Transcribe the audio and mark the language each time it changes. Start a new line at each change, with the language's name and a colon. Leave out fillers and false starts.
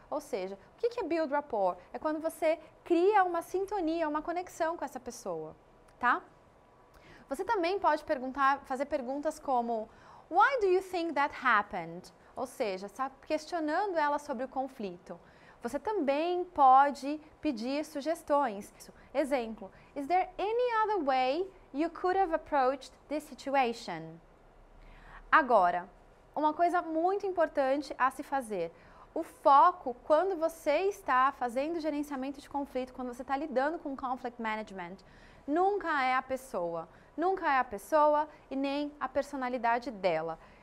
Portuguese: Ou seja, o que é build rapport? É quando você cria uma sintonia, uma conexão com essa pessoa, tá? Você também pode fazer perguntas como
English: "Why do you think that happened?"
Portuguese: Ou seja, está questionando ela sobre o conflito. Você também pode pedir sugestões.
English: Exemplo, "Is there any other way you could have approached this situation?"
Portuguese: Agora, uma coisa muito importante a se fazer. O foco, quando você está fazendo gerenciamento de conflito, quando você está lidando com conflict management, nunca é a pessoa. Nunca é a pessoa e nem a personalidade dela.